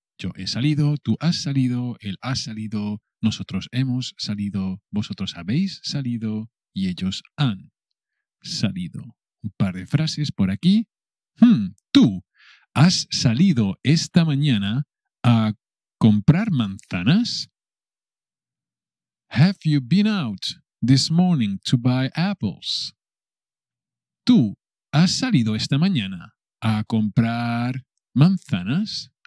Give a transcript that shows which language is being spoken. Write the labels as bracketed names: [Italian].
[Spanish] Yo he salido, tú has salido, él ha salido, nosotros hemos salido, vosotros habéis salido y ellos han salido. Un par de frases por aquí. Tú has salido esta mañana a comprar manzanas. [English] Have you been out this morning to buy apples? [Spanish] Tú has salido esta mañana a comprar manzanas.